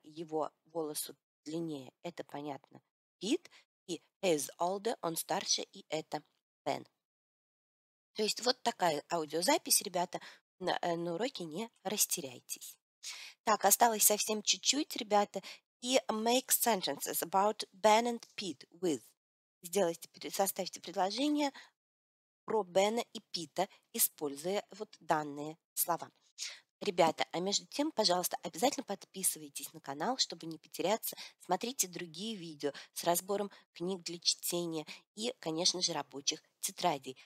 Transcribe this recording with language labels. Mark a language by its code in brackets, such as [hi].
[ru] Его волосы длиннее. Это понятно. Пит. И [en] he's older. [ru] Он старше. И это Ben. То есть, вот такая аудиозапись, ребята. На уроке не растеряйтесь. Так, осталось совсем чуть-чуть, ребята. [en] И make sentences about Ben and Pete with. [ru] Сделайте, составьте предложение про Бена и Пита, используя вот данные слова. Ребята, а между тем, пожалуйста, обязательно подписывайтесь на канал, чтобы не потеряться. Смотрите другие видео с разбором книг для чтения и, конечно же, рабочих тетрадей.